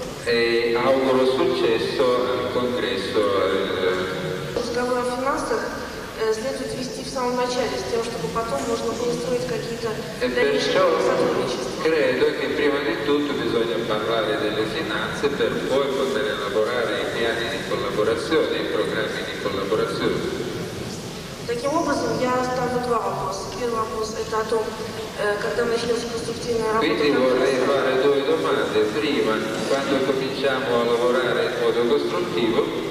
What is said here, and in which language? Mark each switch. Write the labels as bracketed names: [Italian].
[Italian] E auguro successo al congresso. [Russian] Разговор о финансах следует вести в самом начале, с тем, чтобы потом можно было строить какие-то дальнейшие сотрудничества. [Italian] Credo che prima di tutto bisogna parlare delle finanze per poi poter elaborare i piani di collaborazione, i programmi di collaborazione. [Russian] Таким образом, я ставлю два вопроса. Первый вопрос – это о том, когда начнется конструктивная работа. [Italian] Quindi vorrei fare due domande. Prima, quando cominciamo a lavorare in modo costruttivo?